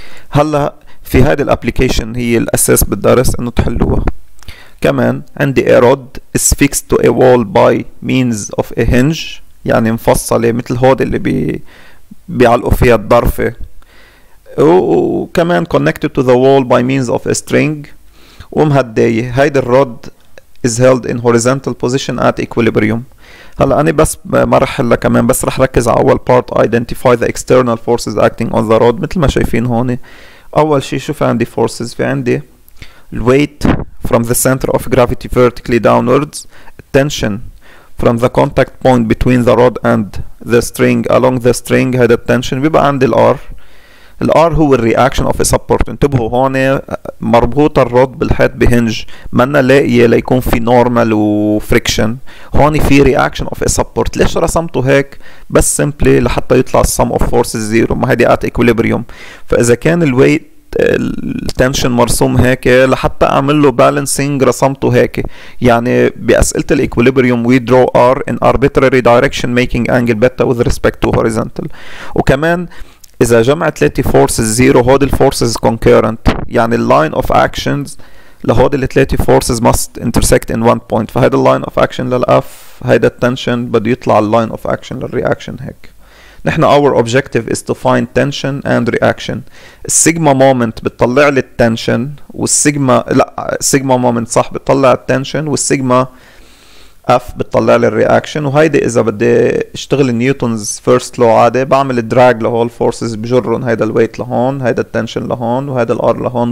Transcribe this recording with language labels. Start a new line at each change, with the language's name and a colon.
Arabic: هلا في هذه الابلكيشن هي الاساس بالدرس انه تحلوها.
English: كمان عندي a rod is fixed to a wall by means of a hinge,
Arabic: يعني مفصله مثل هودي اللي بيعلقوا فيها الضرفه,
English: وكمان connected to the wall by means of a string ومهدية.
Arabic: هيدا الرود
English: is held in horizontal position at equilibrium.
Arabic: هلا أنا بس ما رح حلها كمان, بس رح ركز على أول part,
English: identify the external forces acting on the rod.
Arabic: مثل ما شايفين هون أول شيء شوف عندي
English: forces, في عندي weight from the center of gravity vertically downwards, tension from the contact point between the rod and the string along the string, هيدا tension.
Arabic: بيبقى عندي R, الR هو الرياكشن اوف سبورت. انتبهوا هون مربوط الرود بالحيط بهنج, مانا لاقيه ليكون في نورمال وفريكشن, هون في رياكشن اوف سبورت. ليش رسمته هيك؟ بس سمبلي لحتى يطلع السم اوف فورسز زيرو, ما هيدي ات اكوليبريوم. فاذا كان الويت التنشن مرسوم هيك لحتى اعمل له بالانسنج رسمته هيك. يعني باسئله الاكوليبريوم
English: We draw R in arbitrary direction making angle beta with respect to horizontal.
Arabic: وكمان إذا جمع ثلاثة forces zero هود forces concurrent, يعني line of actions لهود الثلاثة forces must intersect in one point. فهيدا line of action للأف, هيدا tension بده يطلع line of action للreaction هيك.
English: نحن our objective is to find tension and reaction.
Arabic: sigma moment بتطلع لي tension والsigma, لا sigma moment صح بتطلع tension والsigma F بتطلع لي الرياكشن. وهيدي اذا بدي اشتغل نيوتنز فيرست لو عادي بعمل دراج لهول فورسز بجرن هيدا الويت لهون, هيدا التنشن لهون, وهيدا الار لهون.